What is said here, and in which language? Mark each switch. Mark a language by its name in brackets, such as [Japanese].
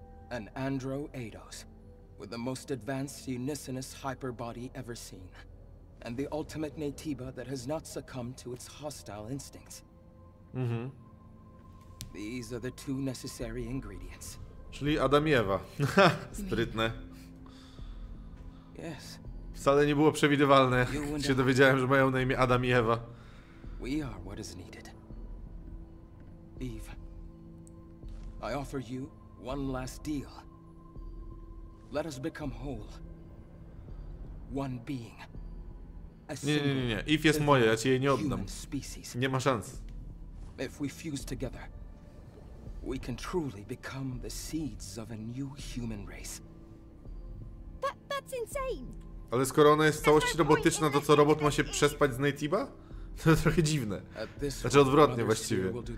[English] An Andro-Eidos with the most advanced unisonous hyperbody ever seen. And the ultimate Natiba that has not succumbed to its hostile instincts. Mm-hmm. These are the two necessary ingredients. [Polish] Czyli Adam i Ewa. Sprytne. [English] Yes. [Polish] Wcale nie było przewidywalne. Się dowiedziałem, że mają na imię Adam i Ewa. [English] We are what is needed. Eve. I offer you one last deal. Let us become whole. One being. [Polish] Nie. Eve jest moja, ja ci jej nie oddam. Nie ma szans. [English] If we fuse together, we can truly become the seeds of a new human race. That's insane. [Polish] Ale skoro ona jest w całości robotyczna, to co, robot ma się przespać z Natiba? To trochę dziwne. Znaczy odwrotnie właściwie.